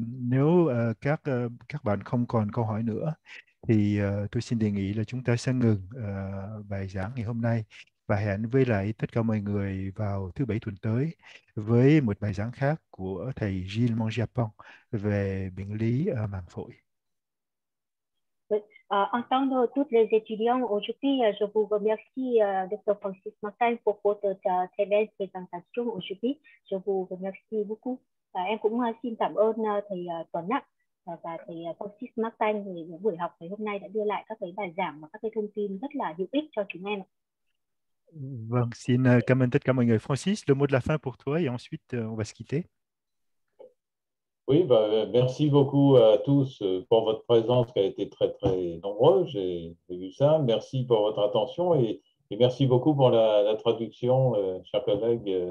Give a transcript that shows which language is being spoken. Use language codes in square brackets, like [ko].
[vi] Nếu các bạn không còn câu hỏi nữa thì tôi xin đề nghị là chúng ta sẽ ngừng bài giảng ngày hôm nay và hẹn với lại tất cả mọi người vào thứ bảy tuần tới với một bài giảng khác của thầy Gilles Mangiapane về bệnh lý màng phổi. [fr] Entendre tous les étudiants aujourd'hui, je vous remercie, Dr. Francis Martin, pour votre très belle présentation aujourd'hui. Je vous remercie beaucoup. [vi] Em cũng xin cảm ơn thầy Tuấn ạ và thầy Francis Martin về buổi học ngày hôm nay đã đưa lại các cái bài giảng và các cái thông tin rất là hữu ích cho chúng em ạ. Vâng, xin cảm ơn tất cả mọi người. [fr] Francis, le mot de la fin pour toi et ensuite on va se quitter. Oui, merci beaucoup à tous pour votre présence qui a été très très nombreuse, j'ai vu ça. Merci pour votre attention et merci beaucoup pour la traduction, chers collègues.